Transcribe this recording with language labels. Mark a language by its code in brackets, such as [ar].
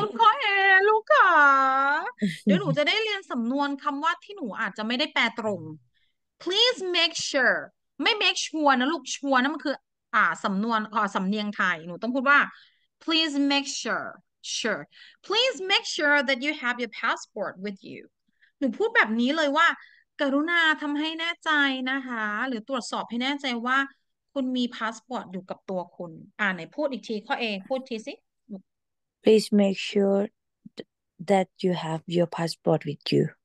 [th] ดข้อเอลูกค่ะเดี๋ยวหนูจะได้เรียนสำนวนคำว่าที่หนูอาจจะไม่ได้แปลตรง Please make sure ไม่ make sure นะลูก sure นะมันคือสำนวนสำเนียงไทยหนูต้องพูดว่า [en] Please make sure Sure. Please make sure that you have your passport with you. [th] หนูพูดแบบนี้เลยว่ากรุณาทำให้แน่ใจนะคะหรือตรวจสอบให้แน่ใจว่าคุณมีพาสปอร์ตอยู่กับตัวคุณไหนพูดอีกทีข้อเอพูดทีสิ [en] Please make sure that you have your passport with you.